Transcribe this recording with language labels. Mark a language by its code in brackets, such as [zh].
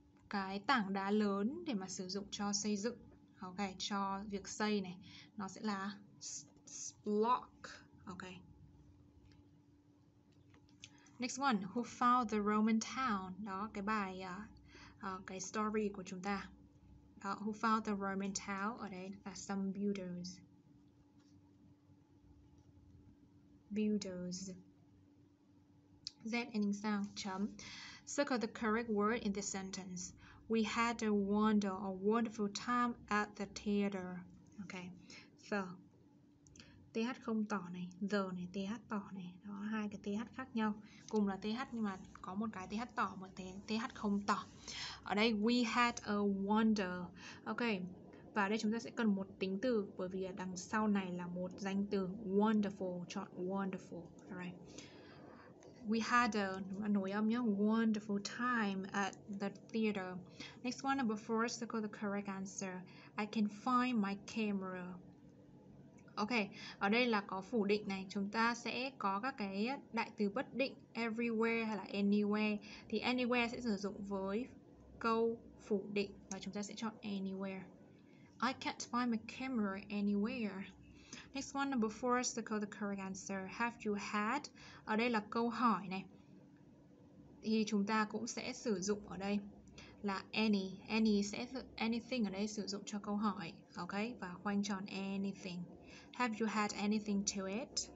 [vi] Cái tảng đá lớn để mà sử dụng cho xây dựng, ok, cho việc xây này, nó sẽ là block, ok. [en] Next one, who found the Roman town? [vi] Đó, cái bài, cái story của chúng ta. Đó, [en] who found the Roman town? [vi] Ở đây là [en] some builders. Builders. Z ending sound, chấm. Circle the correct word in this sentence. We had a wonderful time at the theater. Okay. [vi] So, TH không tỏ này, the này, TH tỏ này. Đó, hai cái TH khác nhau. Cùng là TH nhưng mà có một cái TH tỏ, một TH không tỏ. Ở đây, [en] we had a wonder. [vi] Okay. Và đây chúng ta sẽ cần một tính từ, bởi vì đằng sau này là một danh từ wonderful, chọn wonderful. [en] Alright. We had a [vi] nối âm nhé, [en] wonderful time at the theater. Next one, number four, circle the correct answer. I can find my camera. [vi] Ok, ở đây là có phủ định này. Chúng ta sẽ có các cái đại từ bất định, everywhere hay là anywhere. Thì anywhere sẽ sử dụng với câu phủ định và chúng ta sẽ chọn anywhere. [en] I can't find my camera anywhere. Next one, number four, circle the correct answer. Have you had? [vi] Ở đây là câu hỏi này. Thì chúng ta cũng sẽ sử dụng ở đây là any. Any sẽ, anything ở đây sử dụng cho câu hỏi. Ok, và khoanh tròn anything. [en] Have you had anything to it?